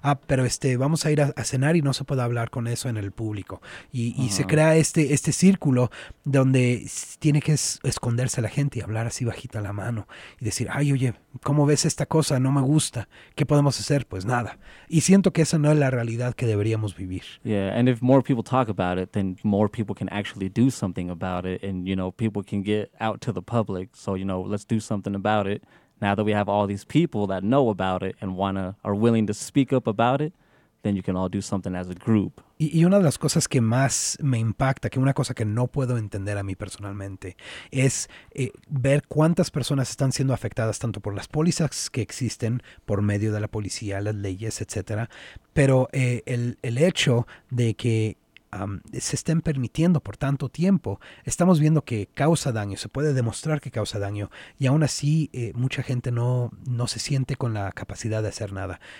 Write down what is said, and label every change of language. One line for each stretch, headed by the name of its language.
Spanish: Pero vamos a ir a cenar y no se puede hablar con eso en el público. Y se crea este círculo donde tiene que esconderse la gente y hablar así bajita la mano y decir, ay, oye, ¿cómo ves esta cosa? No me gusta. ¿Qué podemos hacer? Pues nada. Y siento que eso no es la realidad que deberíamos vivir.
English: Yeah, and if more people talk about it, then more people can actually do something about it, and, you know, people can get out to the public. So, you know, let's do something about it. Now that we have all these people that know about it and are willing to speak up about it, then you can all do something as a group.
Spanish: Y una de las cosas que más me impacta, que una cosa que no puedo entender a mí personalmente, es ver cuántas personas están siendo afectadas tanto por las pólizas que existen por medio de la policía, las leyes, etcétera, pero el hecho de que se estén permitiendo por tanto tiempo, estamos viendo que causa daño, se puede demostrar que causa daño, y aún así mucha gente no se siente con la capacidad de hacer nada.